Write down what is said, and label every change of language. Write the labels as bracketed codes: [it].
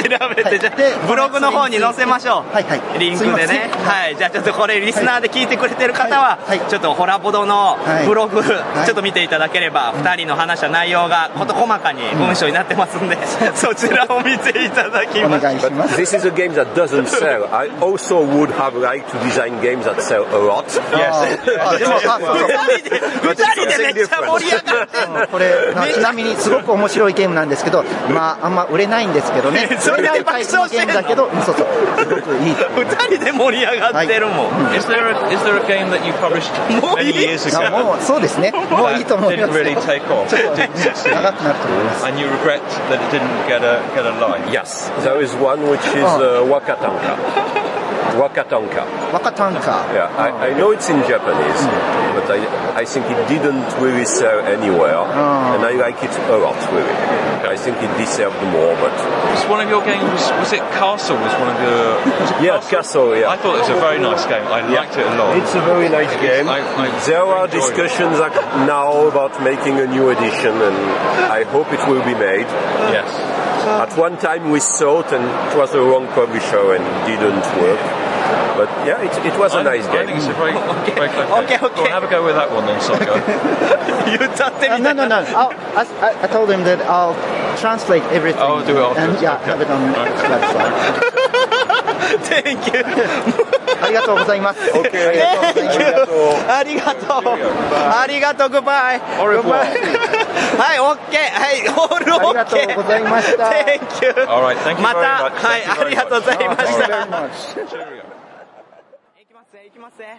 [ja] 調べて、はい、じゃあブログの方に載せましょう、はいはい、リンクでね、はい、じゃあちょっとこれリスナーで聞いてくれてる方は、はい、ちょっとホラボドのブログ、はい、ちょっと見ていただければ、はい、2人の話した内容が事細かに文章になってますんで、うん、そちらを見ていただきます。お願いします。 [en] This is a game that doesn't sell. I also would have liked to design games that sell a lot. Yes. [ja] 2人でめっちゃ盛り上がってこれ。ちなみにすごく面白いゲームなんですけど、まあ、あんま売れないんですけどね。それで爆笑してんだけど、そうすごくいい。 2人で盛り上がってるもん、 [en] はい、is there a game that you published many years ago? [ja] もうそうですね、もういいと思いますよ。 [en] didn't really take off. [ja] ちょっと長くなると思います。 [en] And you regret that it didn't get a line? Yes, there is one which is Wakatanka. Wakatanka. Wakatanka. Yeah, I know it's in Japanese, but I think it didn't really sell anywhere, and I like it a lot, really. Okay. I think it deserved more, but... Was one of your games, was it Castle? Was one of your... Castle, yeah. I thought it was a very nice game. I liked it a lot. It's a very nice game. There are discussions now about making a new edition, and I hope it will be made. Yes. At one time we thought, and it was the wrong publisher and didn't work. But yeah, it was a nice game. I think it's a very, very good game. Okay. Well, have a go with that one then, Sokka. You tapped it. No. I told him that I'll translate everything. I'll do it afterwards. And yeah, okay. Have it on the website. Thank you. [ja] ありがとうございます。 [en] Okay, Thank you. [ja] ありがとう。ありがとう。 [en] Goodbye. All right. はい、OK。はい、All right. [ja] ありがとうございました。 [en] Thank you. All right. Thank you [ja] また [en] very much. [ja] はい、ありがとうございました。行きますね。行きますね。